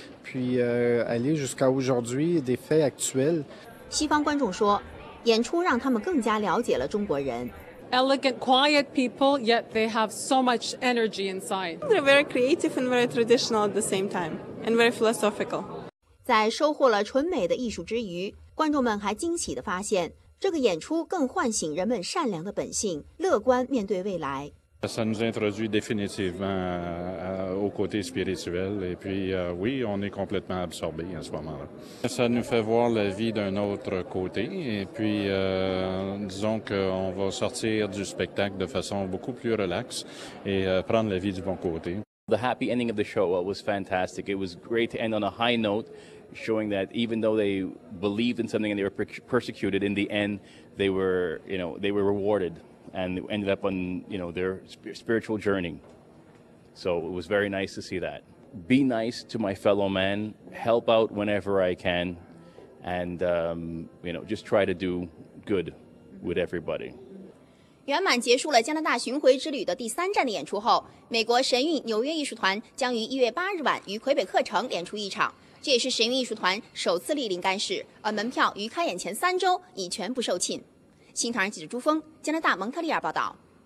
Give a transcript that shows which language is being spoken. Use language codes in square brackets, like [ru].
[fr] puis aller jusqu'à aujourd'hui des faits actuels. [zh] 西方观众说, 演出让他们更加了解了中国人。 [en] Elegant, quiet people, yet they have so much energy inside. They're very creative and very traditional at the same time, and very philosophical. [zh] 在收获了纯美的艺术之余，观众们还惊喜地发现。这个演出更唤醒人们善良的本性，乐观面对未来。 [fr] Ça nous introduit définitivement au côté spirituel et puis oui, on est complètement absorbé à ce moment-là. Ça nous fait voir la vie d'un autre côté et puis disons qu'on va sortir du spectacle de façon beaucoup plus relaxe et prendre la vie du bon côté. [en] The happy ending of the show was fantastic. It was great to end on a high note. Showing that even though they believed in something and they were persecuted, in the end, they were, you know, they were rewarded and ended up on, you know, their spiritual journey. So it was very nice to see that. Be nice to my fellow man, help out whenever I can, and, you know, just try to do good with everybody. [zh] 圆满结束了加拿大巡回之旅的第三站的演出后，美国神韵纽约艺术团将于1月8日晚于魁北克城演出一场。这也是神韵艺术团首次莅临干市，而门票于开演前3周已全部售罄。新唐人记者朱峰，加拿大蒙特利尔报道。